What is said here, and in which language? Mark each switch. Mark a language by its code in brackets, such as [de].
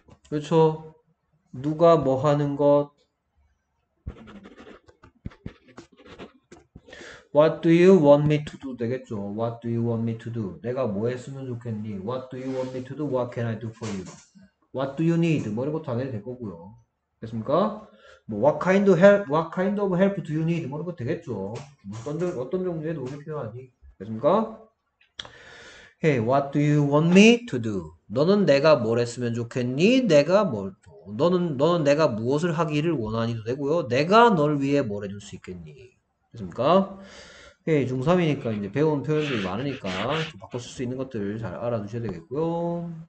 [ko] 그렇죠? 누가 뭐 하는 것? [en] What do you want me to do? [ko] 되겠죠. [en] What do you want me to do? [ko] 내가 뭐 했으면 좋겠니? [en] What do you want me to do? What can I do for you? What do you need? [ko] 뭐 이런 것도 당연히 될 거고요. 됐습니까? 뭐 [en] What kind of help do you need? [ko] 뭐 이런 거 되겠죠. 어떤 종류의 도움이 필요하니? 됐습니까? [en] Hey, what do you want me to do? [ko] 너는 내가 뭘 했으면 좋겠니? 내가 뭘 너는 내가 무엇을 하기를 원하니도 되고요. 내가 널 위해 뭘 해줄 수 있겠니? 됐습니까? 예, 중3이니까 이제 배운 표현들이 많으니까 바꿔 쓸수 있는 것들 잘 알아두셔야 되겠고요.